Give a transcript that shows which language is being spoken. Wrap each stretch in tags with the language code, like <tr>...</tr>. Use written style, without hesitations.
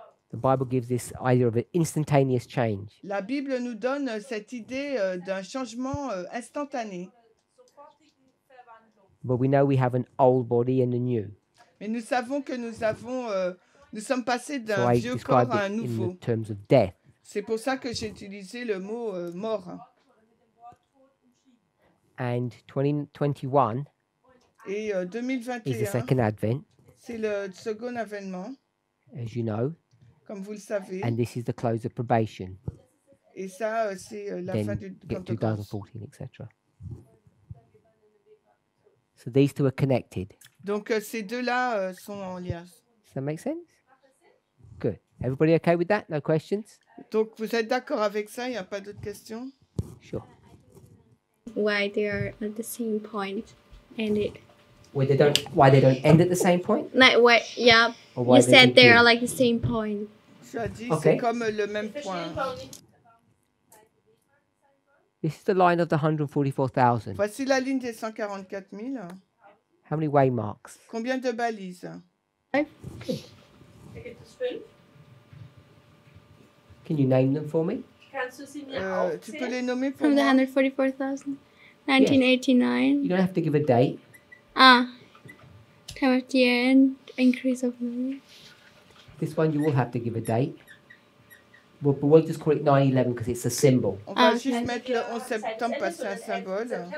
<en>The Bible gives this idea of an instantaneous change.</en> <fr>La Bible nous donne cette idée d'un changement instantané.</fr> <en>But we know we have an old body and a new.</en> <fr>Mais nous savons que nous avons nous sommes passés d'un vieux corps à un nouveau.</fr> <en>Terms of death.</en> <fr>C'est pour ça que j'ai utilisé le mot mort.</fr> <en>And 2021</en> <fr>et 2021</fr> <en>is the second advent.</en> <fr>C'est le second avènement.</fr> <en>As you know.</en> <fr>Comme vous le savez.</fr> <en>And this is the close of probation.</en> <fr>Et ça, c'est la</fr> <en>then</en> <fr>fin du</fr> <en>get 2014, etc. So these two are connected.</en> <fr>Donc ces deux-là sont en lien.</fr> <en>Does that make sense? Everybody okay with that? No questions?</en> <fr>Donc, vous êtes d'accord avec ça? Il n'y a pas d'autres questions?</fr> <en>Sure. Why they are at the same point and it... Why they don't end at the same point? Like, what, yeah. Or you said they are like the same point.</en> <fr>Tu as dit, okay. C'est comme le même point.</fr> <en>This is the line of the 144,000.</en> <fr>Voici la ligne des 144 000.</fr> <en>How many waymarks?</en> <fr>Combien de balises?</fr> <en>Can you name them for me?</en> <fr>Tu peux les nommer pour</fr> <en>from</en> <fr>moi?</fr> <en>The 144,000, 1989. Yes. You don't have to give a date. Ah, time of the end, increase of memory. This one you will have to give a date. But we'll just call it 9/11 because it's a symbol.</en> <fr>On va juste mettre le 11 septembre parce que c'est un symbole.</fr>